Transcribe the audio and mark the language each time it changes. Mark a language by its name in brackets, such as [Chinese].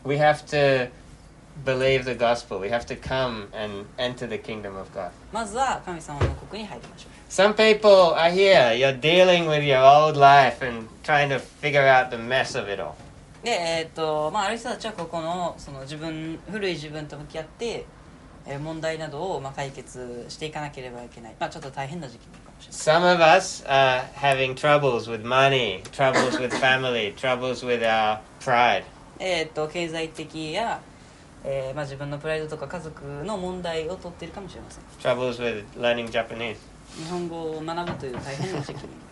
[English] We have toBelieve the gospel. We have to come and enter the kingdom of God. [Japanese] まずは神様の国に入りましょう。 [English] Some people are here. You're dealing with your old life and trying to figure out the mess of it all. [Japanese] で、まあある人たちはここのその自分古い自分と向き合って、問題などをまあ解決していかなければいけない。まあちょっと大変な時期かもしれない。 [English] Some of us are having troubles with money, troubles with family, troubles with our pride. [Japanese] 経済的やまあ、自分のプライドとか家族の問題を取っているかもしれません。 [English] Troubles with learning Japanese. [Japanese] 日本語を学ぶという大変な時期に。